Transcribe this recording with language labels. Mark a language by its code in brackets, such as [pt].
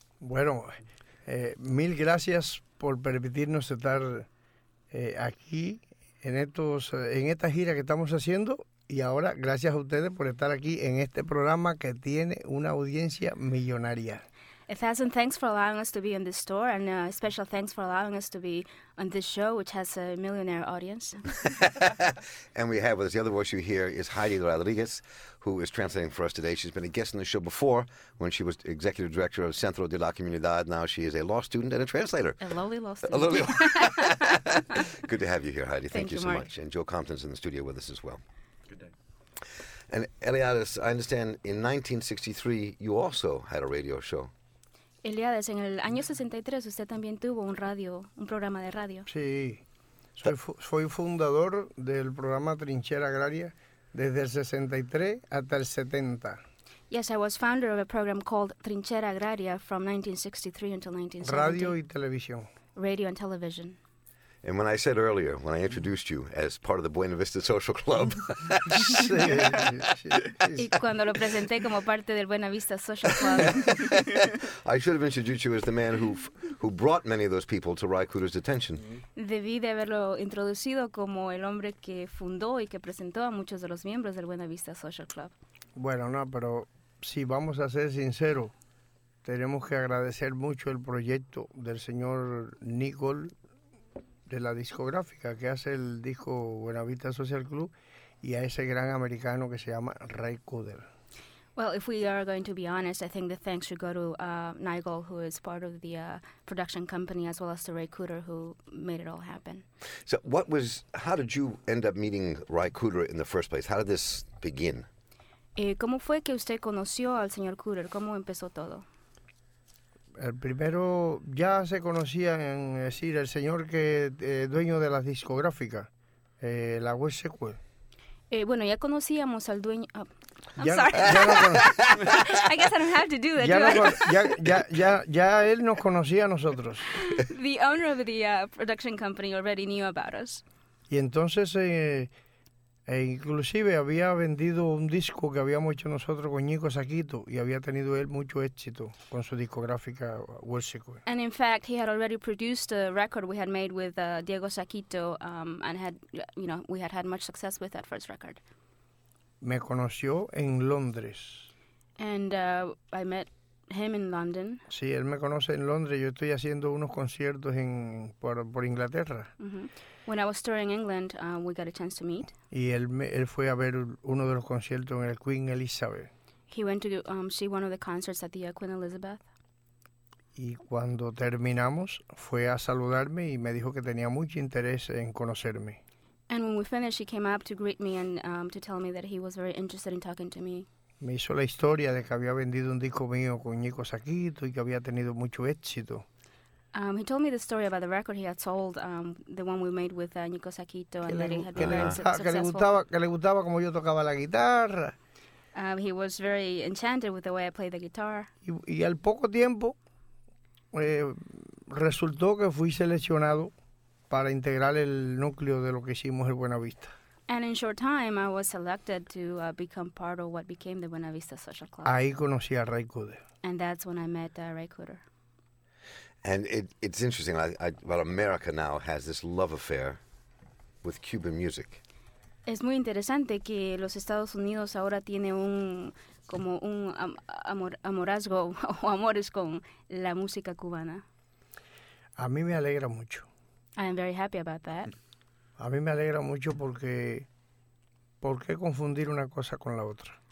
[es] Bueno, mil gracias por permitirnos estar aquí en esta gira que estamos haciendo. Y ahora, gracias a ustedes por estar aquí en este programa que tiene una audiencia millonaria. [en] A thousand thanks for allowing us to be in this store, and a special thanks for allowing us to be on this show, which has a millionaire audience. And we have with us the other voice you hear is Heidi Rodriguez, who is translating for us today. She's been a guest on the show before when she was executive director of Centro de la Comunidad. Now she is a law student and a translator. A lowly law student. Good to have you here, Heidi. Thank you so much. And Joe Compton's in the studio with us as well. Good day. And Eliades, I understand in 1963 you also had a radio show. [es] Eliades, en el año 63 usted también tuvo un programa de radio. Sí, soy fundador del programa Trinchera Agraria desde el 63 hasta el 70. [en] Yes, I was founder of a program called Trinchera Agraria from 1963 until 1970. [es] Radio y televisión. [en] Radio and television. And when I said earlier, when I introduced you as part of the Buena Vista Social Club. [es] Y cuando lo presenté como parte del Buena Vista Social Club. [en] I should have introduced you as the man who brought many of those people to Rai Cooter's attention. [es] Debí de haberlo introducido como el hombre que fundó y que presentó a muchos de los miembros del Buena Vista Social Club. Bueno, no, pero si vamos a ser sinceros, tenemos que agradecer mucho el proyecto del señor Nicol, de la discográfica que hace el disco Buena Vista Social Club, y a ese gran americano que se llama Ray Cooter. [en] Well, if we are going to be honest, I think the thanks should go to Nigel, who is part of the production company, as well as to Ray Cooter, who made it all happen. So what was, how did you end up meeting Ray Cooter in the first place? How did this begin? [es] ¿Cómo fue que usted conoció al señor Cooter? ¿Cómo empezó todo? El primero, ya se conocía, en decir, el señor que dueño de la discográfica, la USQ. Bueno, ya conocíamos al dueño... Ya, [en] I guess I don't have to do that. [es] Ya él nos conocía a nosotros. [en] The owner of the production company already knew about us. [es] Y entonces, inclusive había vendido un disco que habíamos hecho nosotros con Nico Saquito y había tenido él mucho éxito con su discográfica Wolsico. [en] And in fact, he had already produced a record we had made with Diego Saquito, and had, you know, we had had much success with that first record. [es] Me conoció en Londres. [en] And I met him in London. [es] Sí, él me conoce en Londres. Yo estoy haciendo unos conciertos en por Inglaterra. [en] Mm-hmm. When I was touring England, we got a chance to meet. [es] Y él fue a ver uno de los conciertos en el Queen Elizabeth. [en] He went to see one of the concerts at the Queen Elizabeth. [es] Y cuando terminamos, fue a saludarme y me dijo que tenía mucho interés en conocerme. [en] And when we finished, he came up to greet me and to tell me that he was very interested in talking to me. [es] Me hizo la historia de que había vendido un disco mío con Nico Saquito y que había tenido mucho éxito. [en] He told me the story about the record he had sold, the one we made with Nico Saquito, and that he had been very successful. [es] Que le gustaba como yo tocaba la guitarra. [en] He was very enchanted with the way I played the guitar. [es] Y al poco tiempo, resultó que fui seleccionado para integrar el núcleo de lo que hicimos el Buena Vista. [en] And in short time, I was selected to become part of what became the Buena Vista Social Club. [es] Ahí conocí a Ray Cooter. [en] And that's when I met Ray Cooter. And it's interesting, but America now has this love affair with Cuban music. [es] Es muy interesante que los Estados Unidos ahora tiene un como un amorazgo o amores con la música cubana. A mí me alegra mucho. [en] I am very happy about that. [es] A mí me alegra mucho porque ¿por qué confundir una cosa con la otra?